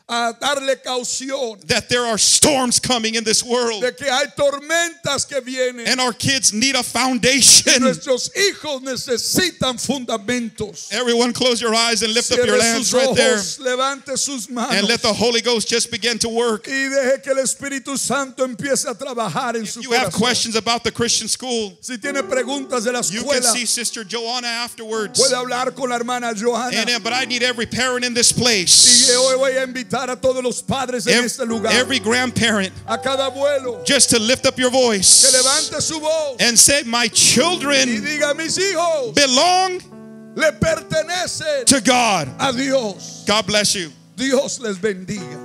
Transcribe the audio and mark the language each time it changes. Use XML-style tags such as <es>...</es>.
<es>A darle caución.</es> <en>That there are storms coming in this world.</en> <es>De que hay tormentas que vienen.</es> <en>And our kids need a foundation.</en> <es>Y nuestros hijos necesitan fundamentos.</es> <en>Everyone close your eyes and lift</en> <es>cierre</es> <en>up your hands right there.</en> <es>Levante sus manos.</es> <en>And let the Holy Ghost just begin to work.</en> <es>Y deje que el Espíritu Santo empiece a trabajar en</es> <en>if</en> <es>su</es> <en>you</en> <es>corazón.</es> <en>Have questions about the Christian school,</en> <es>si tiene preguntas de la escuela,</es> <en>you can see Sister Joanna afterwards.</en> <es>Puede hablar con la hermana Joanna.</es> <en>And, but I need every parent in this place.</en> <es>Y hoy voy a invitar a todos los padres en este lugar,</es> <en>every grandparent,</en> <es>a cada abuelo,</es> <en>just to lift up your voice,</en> <es>que levante su voz,</es> <en>and say, "My children,</en> <es>y diga, mis hijos,</es> <en>belong,</en> <es>le pertenecen,</es> <en>to God,</en> <es>a Dios."</es> <en>God bless you.</en> <es>Dios les bendiga.</es>